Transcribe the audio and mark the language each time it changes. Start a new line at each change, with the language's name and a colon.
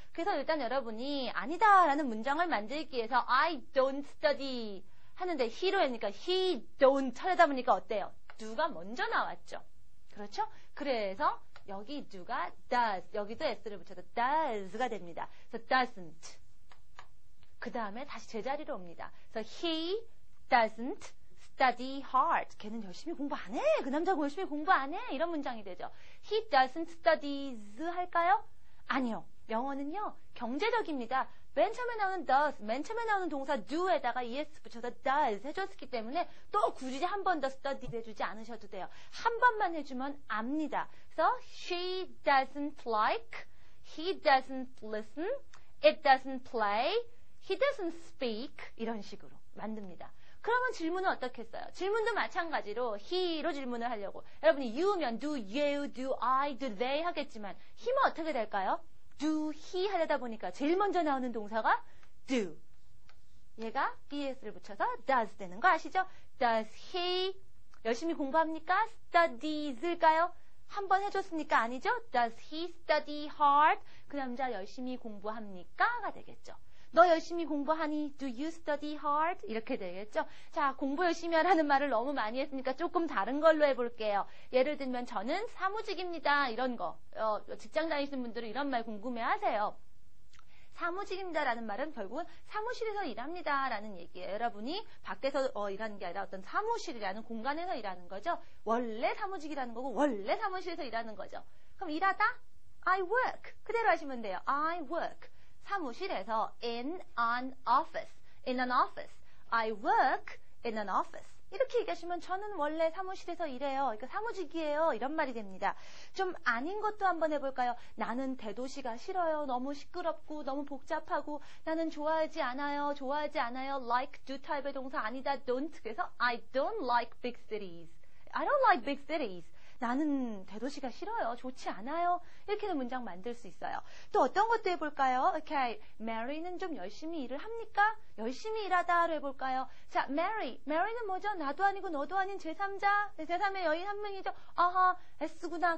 Korean: 그래서 일단 여러분이 아니다 라는 문장을 만들기 위해서
English: I don't study
Korean: 하는데 he로 하니까
English: he don't
Korean: 하려다 보니까 어때요? 누가 먼저 나왔죠? 그렇죠? 그래서 여기 누가 does, 여기도 s를 붙여서 does가 됩니다. 그래서 doesn't, 그 다음에 다시 제자리로 옵니다. 그래서
English: he doesn't study hard.
Korean: 걔는 열심히 공부 안 해. 그 남자가 열심히 공부 안 해. 이런 문장이 되죠.
English: He doesn't studies
Korean: 할까요? 아니요. 영어는요. 경제적입니다. 맨 처음에 나오는 does, 맨 처음에 나오는 동사 do에다가 es 붙여서 does 해줬기 때문에 또 굳이 한 번 더 study 해주지 않으셔도 돼요. 한 번만 해주면 압니다.
English: So she doesn't like, he doesn't listen, it doesn't play, he doesn't speak
Korean: 이런 식으로 만듭니다. 그러면 질문은 어떻겠어요? 질문도 마찬가지로 he로 질문을 하려고. 여러분이 you면 do you, do I, do they 하겠지만 him은 어떻게 될까요? do he 하려다 보니까 제일 먼저 나오는 동사가 do. 얘가 es를 붙여서 does 되는 거 아시죠? does he 열심히 공부합니까? studies일까요? 한번 해줬으니까 아니죠?
English: does he study hard?
Korean: 그 남자 열심히 공부합니까? 가 되겠죠. 너 열심히 공부하니?
English: Do you study hard?
Korean: 이렇게 되겠죠? 자, 공부 열심히 하라는 말을 너무 많이 했으니까 조금 다른 걸로 해볼게요. 예를 들면 저는 사무직입니다. 이런 거. 직장 다니시는 분들은 이런 말 궁금해하세요. 사무직입니다라는 말은 결국은 사무실에서 일합니다라는 얘기예요. 여러분이 밖에서 일하는 게 아니라 어떤 사무실이라는 공간에서 일하는 거죠. 원래 사무직이라는 거고 원래 사무실에서 일하는 거죠. 그럼 일하다?
English: I work.
Korean: 그대로 하시면 돼요. I work.
English: 사무실에서 in an office, in an office, I work in an office
Korean: 이렇게 얘기하시면 저는 원래 사무실에서 일해요. 그러니까 사무직이에요. 이런 말이 됩니다. 좀 아닌 것도 한번 해볼까요? 나는 대도시가 싫어요. 너무 시끄럽고 너무 복잡하고 나는 좋아하지 않아요. 좋아하지 않아요. Like, do type의 동사 아니다.
English: Don't.
Korean: 그래서
English: I don't like big cities. I don't like big cities.
Korean: 나는 대도시가 싫어요. 좋지 않아요. 이렇게는 문장 만들 수 있어요. 또 어떤 것도 해볼까요? Okay, Mary는 좀 열심히 일을 합니까? 열심히 일하다를 해볼까요? 자, Mary. Mary는 뭐죠? 나도 아니고 너도 아닌 제3자. 제3의 여인 한 명이죠. 아하, S구나.